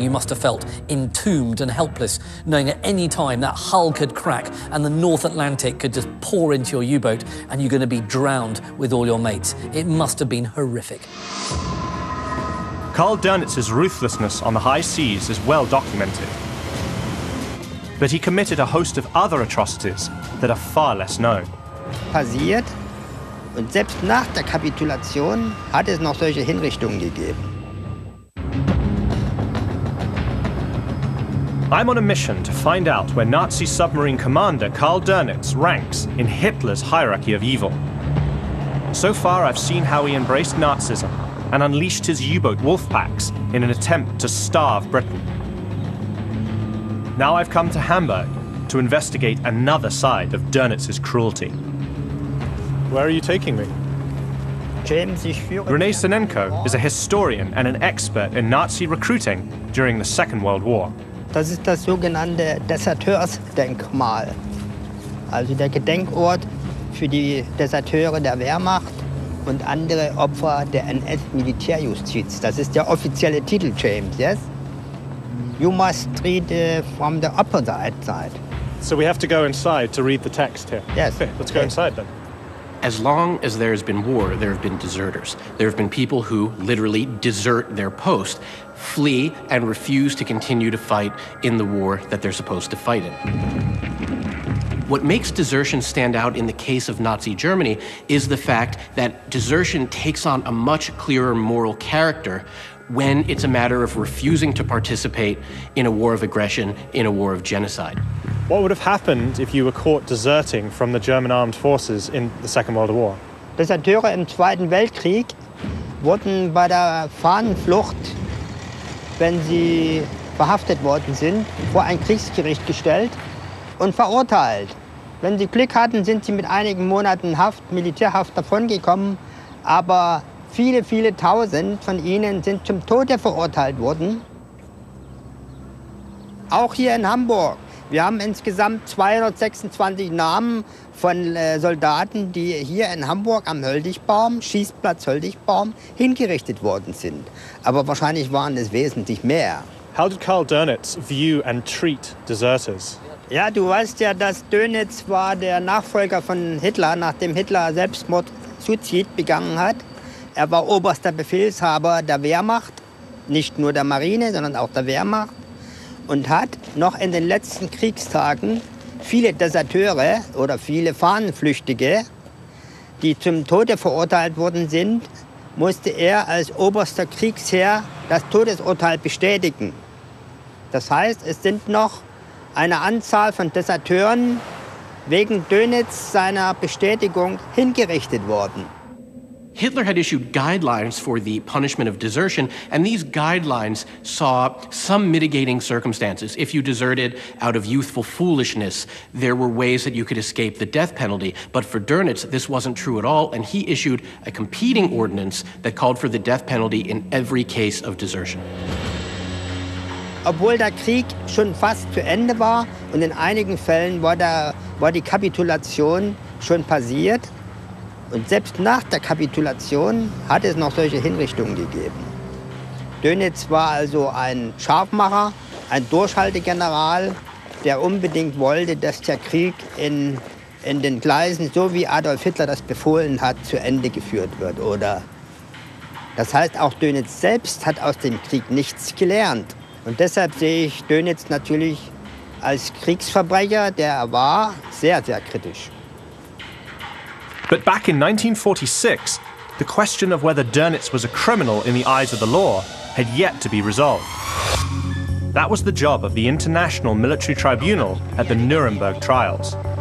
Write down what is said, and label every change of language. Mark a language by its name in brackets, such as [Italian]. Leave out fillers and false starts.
[English] You must have felt entombed and helpless, knowing at any time that hull could crack and the North Atlantic could just pour into your U-boat and you're going to be drowned with all your mates. It must have been horrific. Karl Dönitz's ruthlessness on the high seas is well documented. But he committed a host of other atrocities that are far less known. [German] Passiert. Und selbst nach der Kapitulation hat es noch solche Hinrichtungen gegeben. [English] I'm on a mission to find out where Nazi submarine commander Karl Dönitz ranks in Hitler's hierarchy of evil. So far, I've seen how he embraced Nazism and unleashed his U-boat wolf packs in an attempt to starve Britain. Now I've come to Hamburg to investigate another side of Dönitz's cruelty. Where are you taking me? René Senenko is a historian and an expert in Nazi recruiting during the Second World War. [German] Das ist das sogenannte Deserteursdenkmal. Also der Gedenkort für die Deserteure der Wehrmacht und andere Opfer der NS-Militärjustiz. Das ist der offizielle Titel, [English] James, yes? You must read from the opposite side. So we have to go inside to read the text here? Yes. Okay, let's go inside then. As long as there has been war, there have been deserters. There have been people who literally desert their post, flee, and refuse to continue to fight in the war that they're supposed to fight in. What makes desertion stand out in the case of Nazi Germany is the fact that desertion takes on a much clearer moral character when it's a matter of refusing to participate in a war of aggression, in a war of genocide. What would have happened if you were caught deserting from the German armed forces in the Second World War? [German] Deserteure im Zweiten Weltkrieg wurden bei der Fahnenflucht, wenn sie verhaftet worden sind, vor ein Kriegsgericht gestellt und verurteilt. Wenn sie Glück hatten, sind sie mit einigen Monaten Haft, Militärhaft davongekommen, aber viele, viele Tausend von ihnen sind zum Tode verurteilt worden. Auch hier in Hamburg. Wir haben insgesamt 226 Namen von Soldaten, die hier in Hamburg am Höldigbaum, Schießplatz Höldigbaum, hingerichtet worden sind. Aber wahrscheinlich waren es wesentlich mehr. [English] How did Karl Dönitz view and treat deserters? [German] Ja, du weißt ja, dass Dönitz war der Nachfolger von Hitler, nachdem Hitler Selbstmord, Suizid begangen hat. Er war oberster Befehlshaber der Wehrmacht, nicht nur der Marine, sondern auch der Wehrmacht. Und hat noch in den letzten Kriegstagen viele Deserteure oder viele Fahnenflüchtige, die zum Tode verurteilt worden sind, musste er als oberster Kriegsherr das Todesurteil bestätigen. Das heißt, es sind noch eine Anzahl von Deserteuren wegen Dönitz seiner Bestätigung hingerichtet worden. [English] Hitler had issued guidelines for the punishment of desertion, and these guidelines saw some mitigating circumstances. If you deserted out of youthful foolishness, there were ways that you could escape the death penalty. But for Dönitz, this wasn't true at all, and he issued a competing ordinance that called for the death penalty in every case of desertion. [German] Obwohl der Krieg schon fast zu Ende war und in einigen Fällen war die Kapitulation schon passiert, und selbst nach der Kapitulation hat es noch solche Hinrichtungen gegeben. Dönitz war also ein Scharfmacher, ein Durchhaltegeneral, der unbedingt wollte, dass der Krieg in den Gleisen, so wie Adolf Hitler das befohlen hat, zu Ende geführt wird. Oder? Das heißt, auch Dönitz selbst hat aus dem Krieg nichts gelernt. Und deshalb sehe ich Dönitz natürlich als Kriegsverbrecher, der er war, sehr, sehr kritisch. [English] But back in 1946, the question of whether Dönitz was a criminal in the eyes of the law had yet to be resolved. That was the job of the International Military Tribunal at the Nuremberg trials.